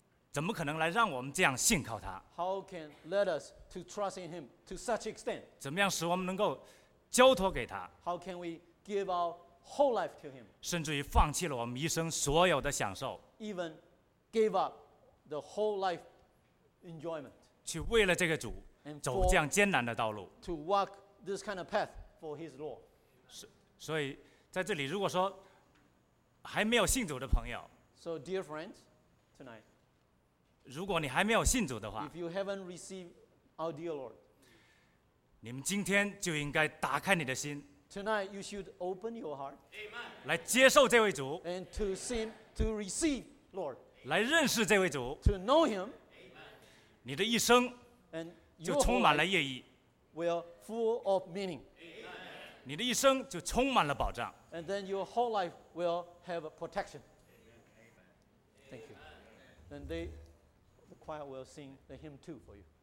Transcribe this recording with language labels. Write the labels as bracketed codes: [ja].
[zh] 怎么可能来让我们这样信靠他 [en] ？How can let us to trust in him to such extent? [zh] 怎么样使我们能够交托给他 [en] ？How can we give our whole life to him? [zh] 甚至于放弃了我们一生所有的享受 [en] ，Even give up. The whole life enjoyment. [zh] 去为了这个主走这样艰难的道路。 [en] To walk this kind of path for His Lord. [zh] 所以在这里，如果说还没有信主的朋友 [en] ，So dear friends, tonight. [zh] 如果你还没有信主的话 [en] ，If you haven't received our dear Lord. [zh] 你们今天就应该打开你的心 [en] ，Tonight you should open your heart. Amen. [zh] 来接受这位主 [en] ，And to see to receive Lord. [zh] 来认识这位主 [en] to know him, [zh] 你的一生 [en] and [zh] 就充满了意义 [en] will full of meaning. [zh] 你的一生就充满了保障 [en] and then your whole life will have a protection. Thank you. Then the choir will sing the hymn too for you.